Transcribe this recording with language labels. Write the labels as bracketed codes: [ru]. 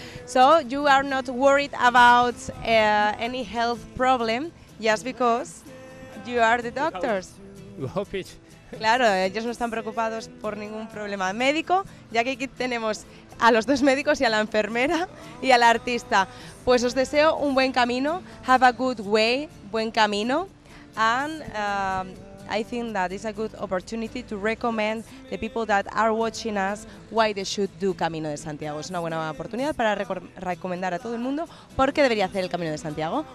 [en] So you are not worried about any health problem just because you are the doctors. You hope it. [es] Claro, ellos no están preocupados por ningún problema médico, ya que aquí tenemos a los dos médicos y a la enfermera y al artista. Pues os deseo un buen camino. [en] Have a good way, [es] buen camino. [en] And I think that it's a good opportunity to recommend the people that are watching us why they should do Camino de Santiago. [es] Es una buena oportunidad para recomendar a todo el mundo por qué debería hacer el Camino de Santiago.